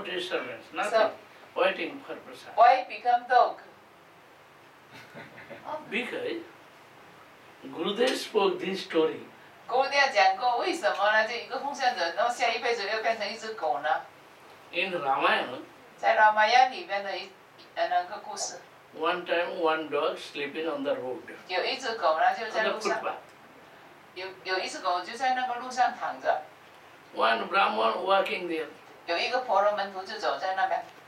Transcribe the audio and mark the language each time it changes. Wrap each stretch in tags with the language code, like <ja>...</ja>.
<en>disturbance, nothing. Why become dog? Because Gurudev spoke this story.</en> <zh>姑娘讲过，为什么呢？这一个奉献者，那么下一辈子又变成一只狗呢？</zh> <en>In Ramayana,</en> <zh>在《Ramayana》里面的一个故事。</zh> <en>One time, one dog sleeping on the road.</en> <zh>有一只狗呢，就在路上。有一只狗就在那个路上躺着。</zh> <en>One Brahman walking there.</en> <zh>有一个婆罗门徒就走在那边。</zh>